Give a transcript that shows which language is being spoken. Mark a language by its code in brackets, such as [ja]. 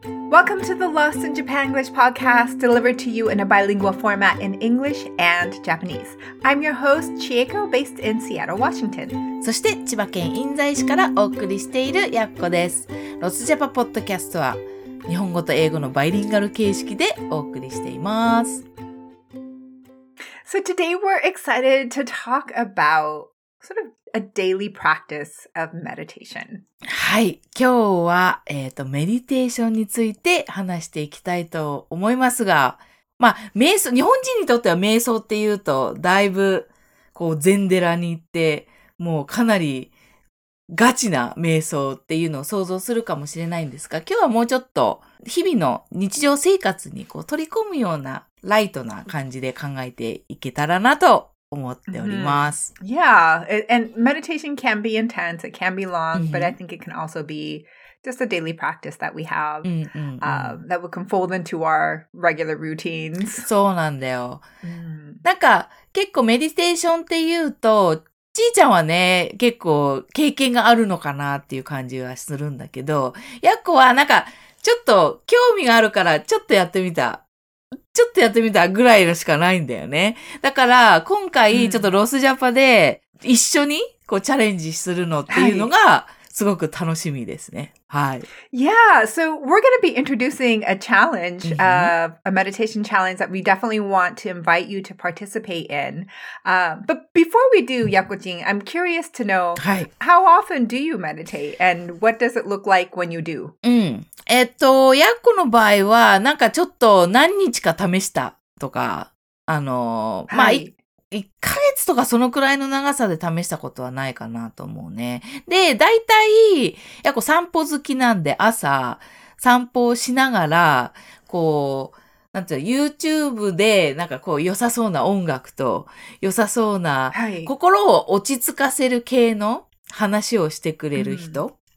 [en] Welcome to the Lost in Japan English podcast, delivered to you in a bilingual format in English and Japanese. I'm your host, Chieko, based in Seattle, Washington. [ja] そして千葉県印西市からお送りしているやっこです。ロスジャパポッドキャストは日本語と英語のバイリンガル形式でお送りしています。 [en] So today we're excited to talk about sort of a daily practice of meditation. [ja] はい、今日はメディテーションについて話していきたいと思いますが、まあ瞑想、日本人にとっては瞑想っていうとだいぶこう禅寺に行ってもうかなりガチな瞑想っていうのを想像するかもしれないんですが、今日はもうちょっと日々の日常生活にこう取り込むようなライトな感じで考えていけたらなと思っております。 Mm-hmm. [en] Yeah, and meditation can be intense, it can be long, but I think it can also be just a daily practice that we have, that we can fold into our regular routines. [ja] そうなんだよ。なんか結構メディテーションっていうと、ちいちゃんはね、結構経験があるのかなっていう感じはするんだけど、やっこはなんかちょっと興味があるからちょっとやってみた。ちょっとやってみたぐらいしかないんだよね。だから今回ちょっとロスジャパで一緒にこうチャレンジするのっていうのがすごく楽しみですね。はい。 [en] Yeah, so we're going to be introducing a challenge, a meditation challenge that we definitely want to invite you to participate in. But before we do, Yakujin, I'm curious to know, how often do you meditate and what does it look like when you do? [ja] ヤッコの場合は、なんかちょっと何日か試したとか、まあ、一ヶ月とかそのくらいの長さで試したことはないかなと思うね。で、大体、ヤッコ散歩好きなんで、朝散歩をしながら、こう、なんていうの、YouTube で、なんかこう、良さそうな音楽と、良さそうな、心を落ち着かせる系の話をしてくれる人